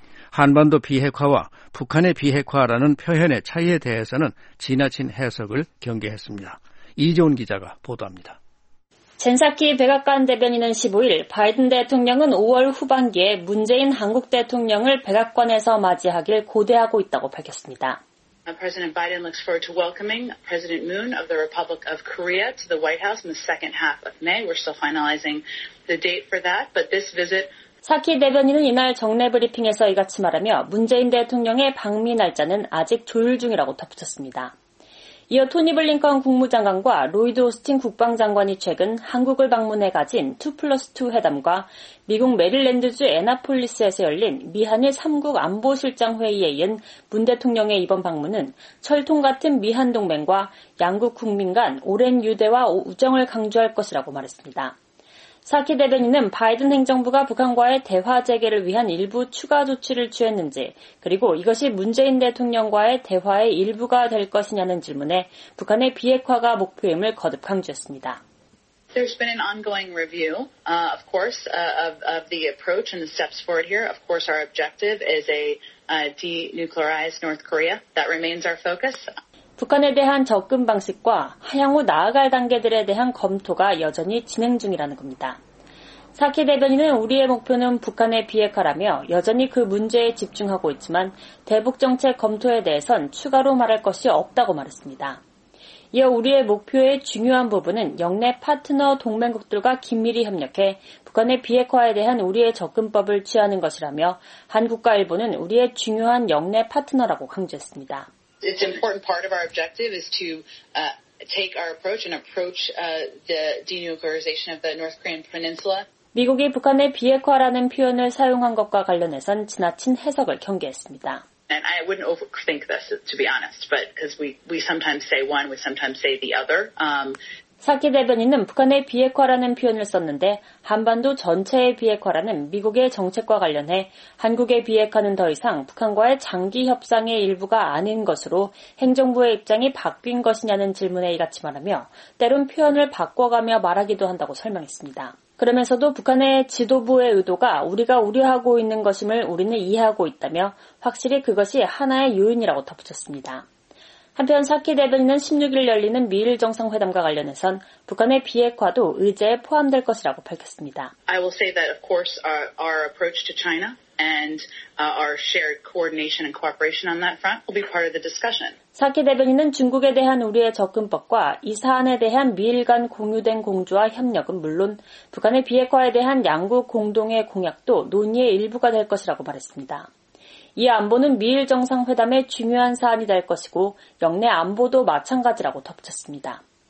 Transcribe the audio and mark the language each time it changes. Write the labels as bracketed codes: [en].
[ko] 한반도 비핵화와 북한의 비핵화라는 표현의 차이에 대해서는 지나친 해석을 경계했습니다. 이재훈 기자가 보도합니다. 젠사키 백악관 대변인은 15일 바이든 대통령은 5월 후반기에 문재인 한국 대통령을 백악관에서 맞이하길 고대하고 있다고 밝혔습니다. [en] President Biden looks forward to welcoming President Moon of the Republic of Korea to the White House in the second half of May. We're still finalizing the date for that, but this visit [ko] 사키 대변인은 이날 정례 브리핑에서 이같이 말하며 문재인 대통령의 방미 날짜는 아직 조율 중이라고 덧붙였습니다. 이어 토니 블링컨 국무장관과 로이드 오스틴 국방장관이 최근 한국을 방문해 가진 2+2 회담과 미국 메릴랜드주 애나폴리스에서 열린 미한일 3국 안보실장 회의에 이은 문 대통령의 이번 방문은 철통 같은 미한 동맹과 양국 국민 간 오랜 유대와 우정을 강조할 것이라고 말했습니다. 사키 대변인은 바이든 행정부가 북한과의 대화 재개를 위한 일부 추가 조치를 취했는지 그리고 이것이 문재인 대통령과의 대화의 일부가 될 것이냐는 질문에 북한의 비핵화가 목표임을 거듭 강조했습니다. [en] There's been an ongoing review, of course, of the approach and the steps forward here. Of course, our objective is a denuclearized North Korea. That remains our focus. [ko] 북한에 대한 접근 방식과 향후 나아갈 단계들에 대한 검토가 여전히 진행 중이라는 겁니다. 사키 대변인은 우리의 목표는 북한의 비핵화라며 여전히 그 문제에 집중하고 있지만 대북 정책 검토에 대해선 추가로 말할 것이 없다고 말했습니다. 이어 우리의 목표의 중요한 부분은 역내 파트너 동맹국들과 긴밀히 협력해 북한의 비핵화에 대한 우리의 접근법을 취하는 것이라며 한국과 일본은 우리의 중요한 역내 파트너라고 강조했습니다. [en] It's an important part of our objective is to take our approach and approach the denuclearization of the North Korean peninsula. [ko] 미국이 북한의 비핵화라는 표현을 사용한 것과 관련해선 지나친 해석을 경계했습니다. [en] And I wouldn't overthink this to be honest, but because we sometimes say one, we sometimes say the other. [ko] 사키 대변인은 북한의 비핵화라는 표현을 썼는데 한반도 전체의 비핵화라는 미국의 정책과 관련해 한국의 비핵화는 더 이상 북한과의 장기 협상의 일부가 아닌 것으로 행정부의 입장이 바뀐 것이냐는 질문에 이같이 말하며 때론 표현을 바꿔가며 말하기도 한다고 설명했습니다. 그러면서도 북한의 지도부의 의도가 우리가 우려하고 있는 것임을 우리는 이해하고 있다며 확실히 그것이 하나의 요인이라고 덧붙였습니다. 한편 사키 대변인은 16일 열리는 미일 정상회담과 관련해선 북한의 비핵화도 의제에 포함될 것이라고 밝혔습니다. [en] I will say that of course our approach to China and our shared coordination and cooperation on that front will be part of the discussion. [ko] 사키 대변인은 중국에 대한 우리의 접근법과 이 사안에 대한 미일 간 공유된 공조와 협력은 물론 북한의 비핵화에 대한 양국 공동의 공약도 논의의 일부가 될 것이라고 말했습니다. 이 안보는 미일 정상회담의 중요한 사안이 될 것이고 영내 안보도 마찬가지라고 덧붙였습니다.